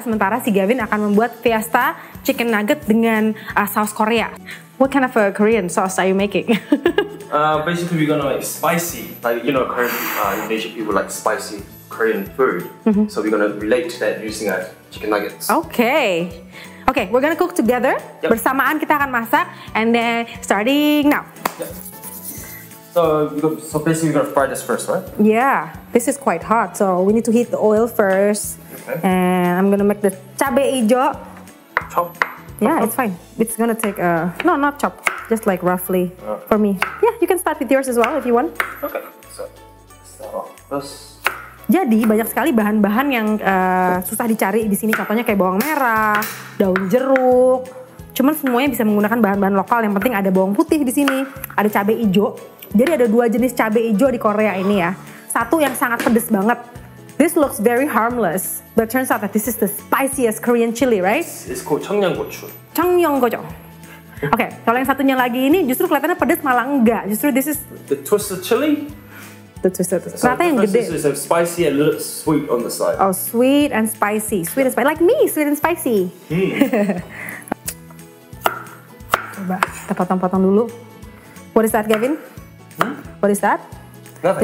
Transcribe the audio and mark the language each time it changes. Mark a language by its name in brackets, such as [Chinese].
[Indonesian] Sementara si Gavin akan membuat Fiesta Chicken Nugget dengan saus Korea. [English] What kind of a Korean sauce are you making? Basically, we're gonna make spicy. Like, you know, Korean, Indonesian people like spicy Korean food. Mm-hmm. So we're gonna relate to that using our chicken nuggets. Okay. Okay, we're gonna cook together. Yep. [Indonesian] Bersamaan kita akan masak, [English] and then starting now. Yep. So basically we're gonna fry this first, right? Yeah, this is quite hot, so we need to heat the oil first. Okay. And I'm gonna make the cabe ijo. Chop. Yeah, it's fine. It's gonna take not chop, just like roughly for me. Yeah, you can start with yours as well if you want. Okay, so start off this. [Indonesian] Jadi banyak sekali bahan-bahan yang susah dicari di sini, contohnya kayak bawang merah, daun jeruk. Cuman semuanya bisa menggunakan bahan-bahan lokal. Yang penting ada bawang putih di sini, ada cabai hijau. Jadi ada dua jenis cabai hijau di Korea ini ya. Satu yang sangat pedes banget. [English] This looks very harmless, but turns out that this is the spiciest Korean chili, right? It's called 청양고추. [Korean] 청양고추. [Indonesian] Oke, okay, kalau yang satunya lagi ini justru kelihatannya pedes malah enggak. [English] Justru this is the twisted chili. [Indonesian] Ternyata yang gede. [English] So it's spicy and a little sweet on the side. Oh, sweet and spicy. Sweet and spicy. Like me, sweet and spicy. [Indonesian] Coba, kita potong-potong dulu. [English] What is that, Gavin? Hmm? What is that? Nothing.